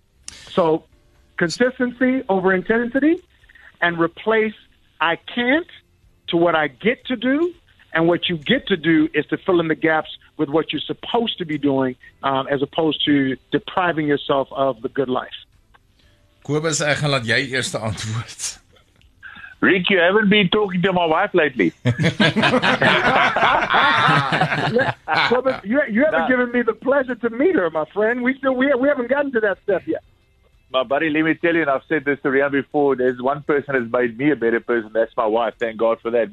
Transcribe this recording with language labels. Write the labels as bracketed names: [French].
[English] So consistency over intensity, and replace I can't to what I get to do, And what you get to do is to fill in the gaps with what you're supposed to be doing, as opposed to depriving yourself of the good life. [Afrikaans] Kobus, ek gaan laat jy eerste antwoord. [English] Rick, you haven't been talking to my wife lately. Kobus, you haven't given me the pleasure to meet her, my friend. We haven't gotten to that step yet. My buddy, let me tell you, and I've said this to Rihanna before, there's one person that's made me a better person. That's my wife. Thank God for that.